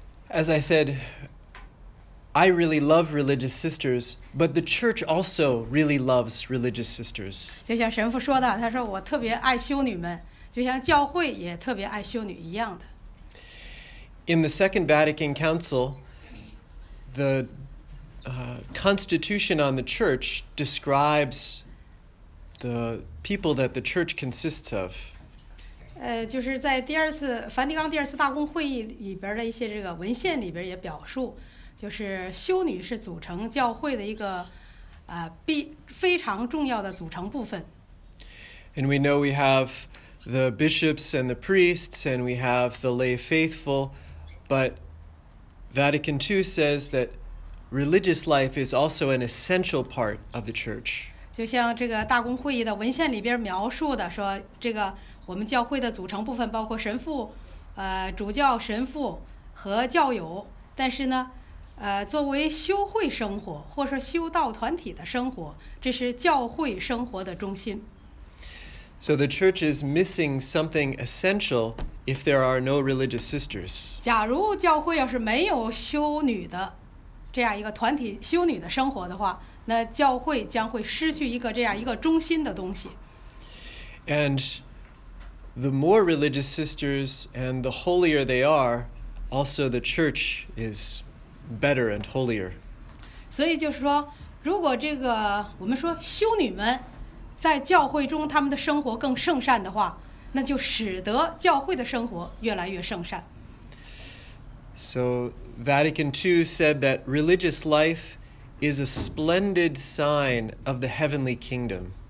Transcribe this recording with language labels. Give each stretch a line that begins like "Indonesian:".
English: As I said, I really love religious sisters, but the church also really loves religious sisters.
Chinese: 就像神父说的，他说我特别爱修女们。就像教会也特别爱修女一样的。
English: In the Second Vatican Council, the constitution on the church describes the people that the church consists of.
Chinese: 就是在第二次梵蒂冈第二次大公会议里边的一些这个文献里边也表述，就是修女是组成教会的一个非常重要的组成部分。
English: And we know we have. The bishops and the priests, and we have the lay faithful, but Vatican II says that religious life is also an essential part of the church.
Chinese: 就像这个大公会议的文献里边描述的，说这个我们教会的组成部分包括神父、主教、神父和教友。但是呢，作为修会生活或者修道团体的生活，这是教会生活的中心。
English: So the church is missing something essential if there are no religious sisters.
Chinese: 假如教会要是没有修女的这样一个团体修女的生活的话，那教会将会失去一个这样一个中心的东西。
English: And the more religious sisters and the holier they are, also the church is better and holier.
Chinese: 所以就是说，如果这个我们说修女们。在教会中他们的生活更圣善的话，那就使得教会的生活越来越圣善。
English: So Vatican II said that religious life is a splendid sign of the heavenly kingdom.